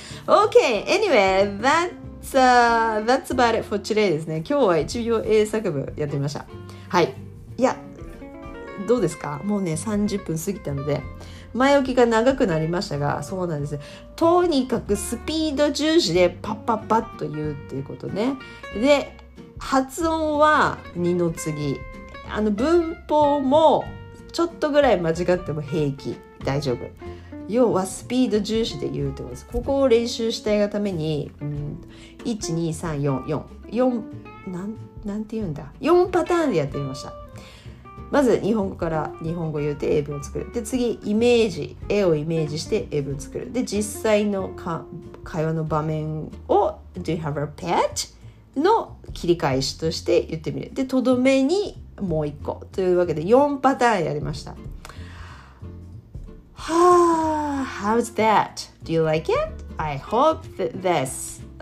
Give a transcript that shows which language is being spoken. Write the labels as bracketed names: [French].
[English] Okay, anyway, that's about it for today ですね。 [Japanese] 今日は1秒英作文やってみました。はい。いや、どうですか? もうね、30分過ぎたので、前置きが長くなりましたが、そうなんです。とにかくスピード重視でパッパッパッと言うっていうことね。で、発音は二の次。あの、文法も、ちょっとぐらい間違っても平気、大丈夫。要はスピード重視で言うってことです。ここを練習したいがために、4パターンで4パターンでやってみました。まず日本語から日本語を言って英文を作る。で次イメージ、絵をイメージして英文を作る。で実際の会話の場面を [English] Do you have a pet? [Japanese] の切り返しとして言ってみる。でとどめにもう一個というわけで4パターンやりました。 [English] はあ、How's that? Do you like it? I hope that this